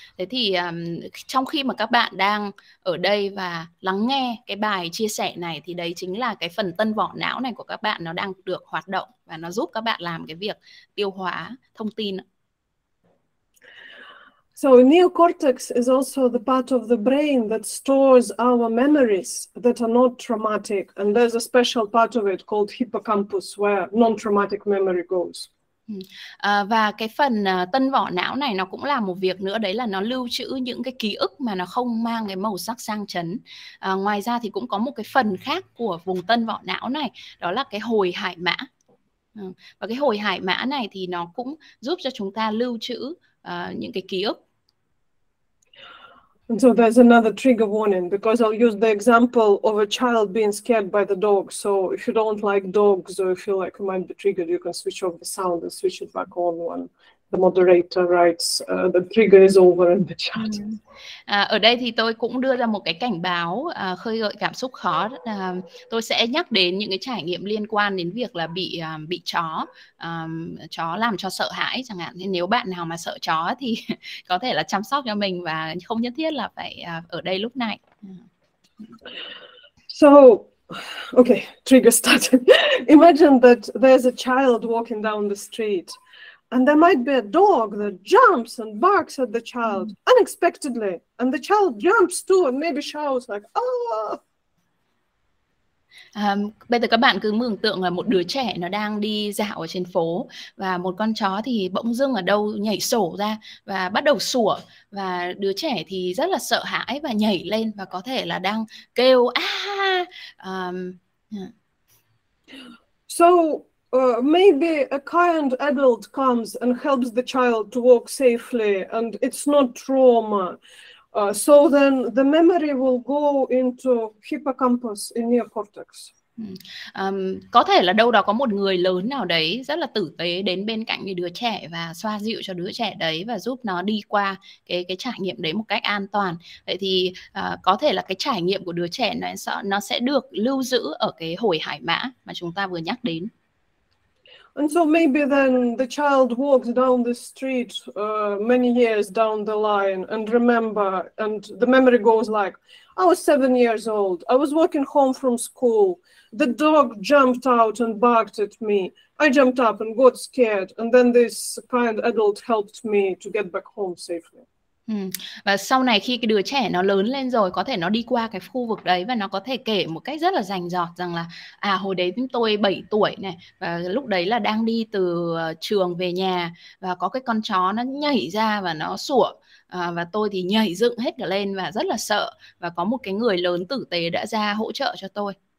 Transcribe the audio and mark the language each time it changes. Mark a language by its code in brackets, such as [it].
[vi] Thế thì trong khi mà các bạn đang ở đây và lắng nghe cái bài chia sẻ này, thì đấy chính là cái phần tân vỏ não này của các bạn nó đang được hoạt động, và nó giúp các bạn làm cái việc tiêu hóa thông tin. [en] So neocortex is also the part of the brain that stores our memories that are not traumatic, and there's a special part of it called hippocampus where non-traumatic memory goes. [vi] Và cái phần tân vỏ não này nó cũng làm một việc nữa, đấy là nó lưu trữ những cái ký ức mà nó không mang cái màu sắc sang chấn. Ngoài ra thì cũng có một cái phần khác của vùng tân vỏ não này, đó là cái hồi hải mã. Và cái hồi hải mã này thì nó cũng giúp cho chúng ta lưu trữ những cái ký ức. [en] And so there's another trigger warning because I'll use the example of a child being scared by the dog. So if you don't like dogs or you feel like you might be triggered, you can switch off the sound and switch it back on when the moderator writes the trigger is over in the chat. [vi] Ở đây thì tôi cũng đưa ra một cái cảnh báo khơi gợi cảm xúc khó. Tôi sẽ nhắc đến những cái trải nghiệm liên quan đến việc là bị chó làm cho sợ hãi chẳng hạn. Nên nếu bạn nào mà sợ chó thì có thể là chăm sóc cho mình và không nhất thiết là phải ở đây lúc này. [en] So, okay, trigger started. Imagine that there's a child walking down the street, and there might be a dog that jumps and barks at the child unexpectedly, and the child jumps too and maybe shouts like, "Oh!" [vi] Bây giờ các bạn cứ mường tượng là một đứa trẻ nó đang đi dạo ở trên phố, và một con chó thì bỗng dưng ở đâu nhảy sổ ra và bắt đầu sủa, và đứa trẻ thì rất là sợ hãi và nhảy lên và có thể là đang kêu a. [en] So, maybe a kind adult comes and helps the child to walk safely, and it's not trauma. So then the memory will go into hippocampus in neocortex. [vi] Có thể là đâu đó có một người lớn nào đấy rất là tử tế đến bên cạnh cái đứa trẻ và xoa dịu cho đứa trẻ đấy, và giúp nó đi qua cái trải nghiệm đấy một cách an toàn. Vậy thì có thể là cái trải nghiệm của đứa trẻ nó sẽ được lưu giữ ở cái hồi hải mã mà chúng ta vừa nhắc đến. [en] And so maybe then the child walks down the street many years down the line and remember, and the memory goes like, I was 7 years old. I was walking home from school. The dog jumped out and barked at me. I jumped up and got scared. And then this kind adult helped me to get back home safely. [vi] Và sau này khi cái đứa trẻ nó lớn lên rồi, có thể nó đi qua cái khu vực đấy và nó có thể kể một cách rất là rành rọt rằng là à hồi đấy chúng tôi 7 tuổi này, và lúc đấy là đang đi từ trường về nhà và có cái con chó nó nhảy ra và nó sủa. Và tôi thì nhảy dựng hết cả lên và rất là sợ, và có một cái người lớn tử tế đã ra hỗ trợ cho tôi.